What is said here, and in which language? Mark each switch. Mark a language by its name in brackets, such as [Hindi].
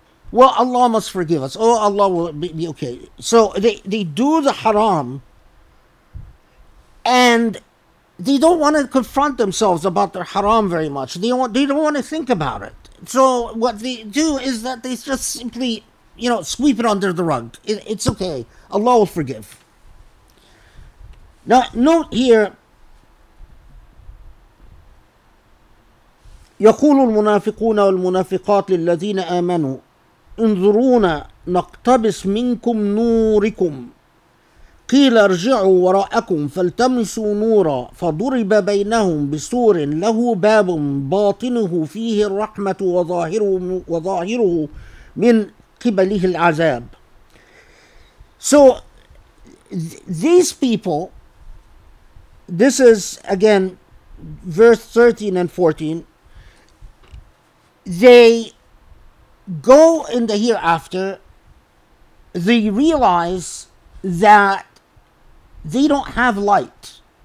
[English] Well, Allah must forgive us. Oh, Allah will be okay. So they do the haram, and they don't want to confront themselves about their haram very much. They don't want to think about it. So what they do is that they just simply, you know, sweep it under the rug. It's okay. Allah will forgive. Now, note here, [Arabic] يقول المنافقون والمنافقات للذين آمنوا انظرونا نقتبس منكم نوركم قيل ارجعوا وراءكم فالتمسوا نورا فضرب بينهم بسور له باب باطنه فيه الرحمة وظاهره من قبله العذاب. [English] So these people, this is again verse 13 and 14, they go in the hereafter, they realize that they don't have light.